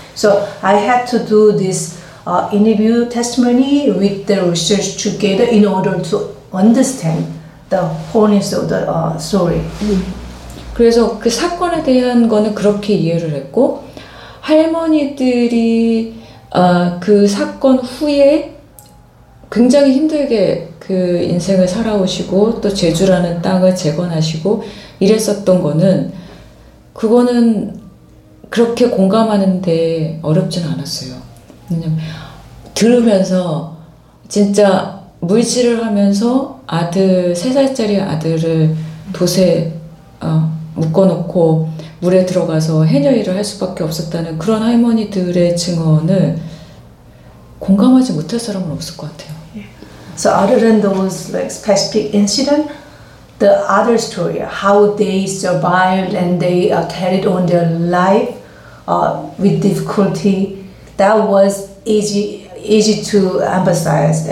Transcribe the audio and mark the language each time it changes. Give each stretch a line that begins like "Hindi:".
English: So I had to do this interview testimony with the research together in order to understand the wholeness of the story.
Korean: 그래서 그 사건에 대한 거는 그렇게 이해를 했고 할머니들이 그 사건 후에 굉장히 힘들게 그 인생을 살아오시고 또 제주라는 땅을 재건하시고 이랬었던 거는 그거는 그렇게 공감하는데 어렵진 않았어요. 왜냐면 들으면서 진짜 물질을 하면서 아들 3살짜리 아들을 도세 묶어놓고 물에 들어가서 해녀일을 할 수밖에 없었다는 그런 할머니들의 증언을 공감하지 못할 사람은 없을 것 같아요. Yeah.
English: So other than those like specific incident, the other story, how they survived and they carried on their life with difficulty, that was easy to emphasize.